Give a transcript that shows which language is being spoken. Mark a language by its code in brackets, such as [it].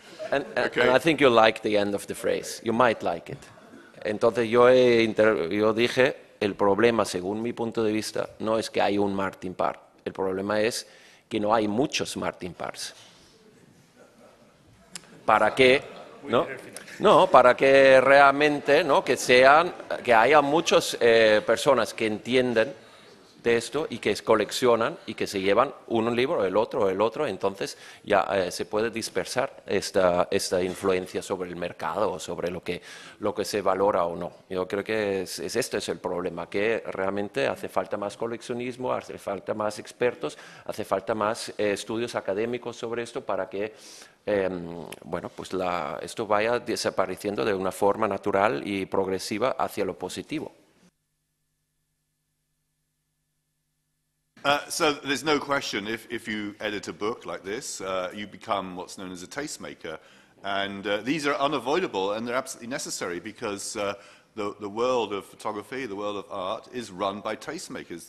[en] And I think you'll like the end of the phrase. You might like it. [es] Entonces yo dije, el problema, según mi punto de vista, no es que hay un Martin Parr. El problema es que no hay muchos Martin Parrs. ¿Para qué? ¿No? No, para que realmente, ¿no?, que haya muchas personas que entienden de esto y que coleccionan y que se llevan un libro, el otro, entonces ya se puede dispersar esta influencia sobre el mercado o sobre lo que se valora o no. Yo creo que este es el problema, que realmente hace falta más coleccionismo, hace falta más expertos, hace falta más estudios académicos sobre esto para que, bueno, pues esto vaya desapareciendo de una forma natural y progresiva hacia lo positivo. [en] So there's no question, if you edit a book like this, you become what's known as a tastemaker. And these are unavoidable and they're absolutely necessary because the world of photography, the world of art, is run by tastemakers.